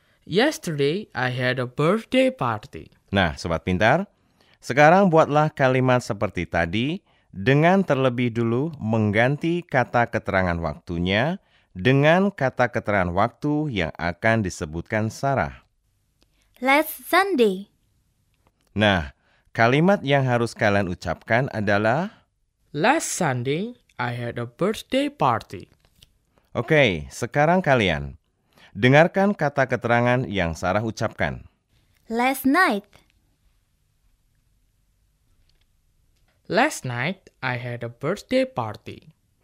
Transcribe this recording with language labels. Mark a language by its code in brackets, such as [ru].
[en] Yesterday, I had a birthday party. [id] Nah, Sobat Pintar, sekarang buatlah kalimat seperti tadi dengan terlebih dulu mengganti kata keterangan waktunya dengan kata keterangan waktu yang akan disebutkan Sarah. [en] Last Sunday. [id] Nah, kalimat yang harus kalian ucapkan adalah [en] last Sunday, I had a birthday party. [id] Okay, sekarang kalian. Dengarkan kata keterangan yang Sarah ucapkan. [en] Last night. Last night, I had a birthday party.